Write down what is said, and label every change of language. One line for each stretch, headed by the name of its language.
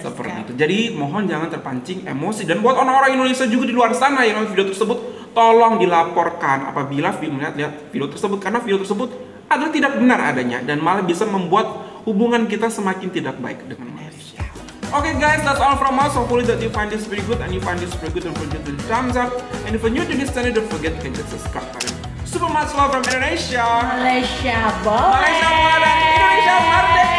Indonesian: seperti sekali. Itu. Jadi mohon jangan terpancing emosi. Dan buat orang-orang Indonesia juga di luar sana yang melihat video tersebut, tolong dilaporkan apabila melihat video tersebut, karena video tersebut adalah tidak benar adanya dan malah bisa membuat hubungan kita semakin tidak baik dengan Malaysia.
English: Okay guys, that's all from us. Hopefully that you find this very good, and you find this very good, don't forget to thumbs up. And if you're new to this channel, don't forget to hit the subscribe button. Super much love from Indonesia.
Indonesian: Malaysia boleh. Malaysia boleh. Indonesia boleh.